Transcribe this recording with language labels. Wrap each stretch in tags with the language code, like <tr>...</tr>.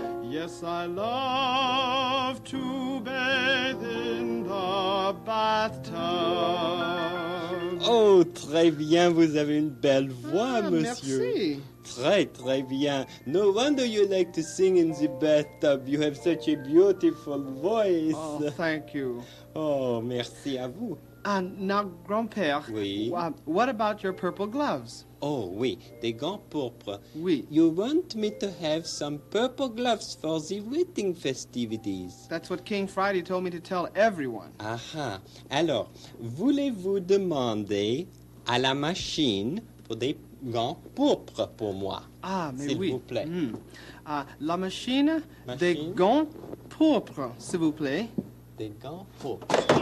<en>Yes, I love to bathe in the bathtub.</en> <fr>Oh, très bien, vous avez une belle voix, monsieur. Merci. Très, très bien.</fr> <en>No wonder you like to sing in the bathtub. You have such a beautiful voice. Oh, thank you.</en> <fr>Oh, merci à vous.</fr> <en>And now, grand-père,</en> <fr>oui?</fr> <en>What about your purple gloves?</en> <fr>Oh, oui, des gants pourpres. Oui.</fr> <en>You want me to have some purple gloves for the wedding festivities? That's what King Friday told me to tell everyone. Aha.</en> <fr>Alors, voulez-vous demander à la machine pour des gants pourpres pour moi? Ah, mais s'il oui. S'il vous plaît. Mm. La machine, des gants pourpres, s'il vous plaît. Des gants pourpres.</fr>